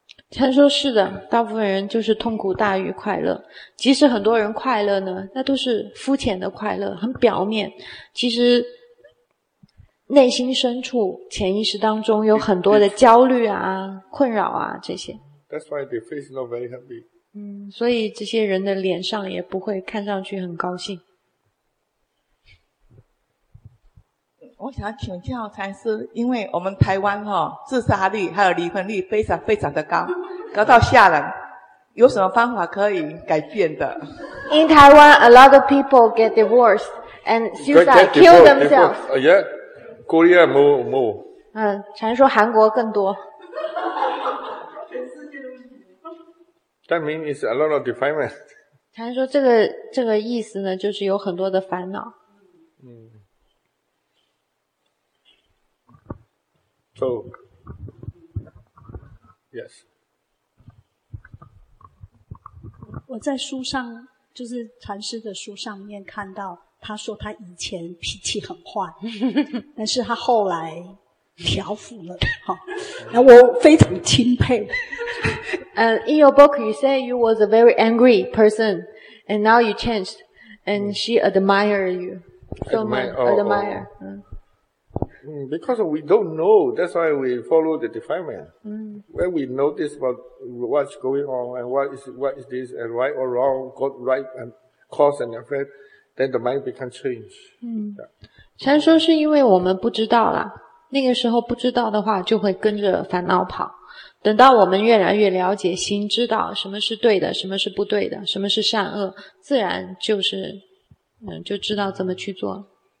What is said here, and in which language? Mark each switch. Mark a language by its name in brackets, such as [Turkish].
[Chinese] 陈说是的，大部分人就是痛苦大于快乐，即使很多人快乐呢，那都是肤浅的快乐，很表面，其实内心深处潜意识当中有很多的焦虑啊，困扰啊，这些。 [English] That's why their face is not very happy. [Chinese] 所以这些人的脸上也不会看上去很高兴。我想要请教禅师，因为我们台湾齁、哦、自杀率还有离婚率非常非常的高，高到吓人，有什么方法可以改变的？ [English] In Taiwan, a lot of people get divorced and suicide, kill themselves. Yeah, Korea more, more. [Chinese] 禅师说韩国更多。 [English] That means it's a lot of defilement. [Chinese] 禅师说这个意思呢，就是有很多的烦恼。 [English] So, yes. [Chinese] 我在书上，就是禅师的书上面看到，他说他以前脾气很坏，但是他后来调伏了，那我非常钦佩。 [English] In your book, you say you was a very angry person, and now you changed, and she admired you. So much admire. Because we don't know, that's why we follow the defilement. When we notice about what's going on and what is this and right or wrong, got right and cause and effect, then the mind becomes changed. [Chinese] 禅说是因为我们不知道啦，那个时候不知道的话就会跟着烦恼跑，等到我们越来越了解心，知道什么是对的，什么是不对的，什么是善恶，自然就是就知道怎么去做。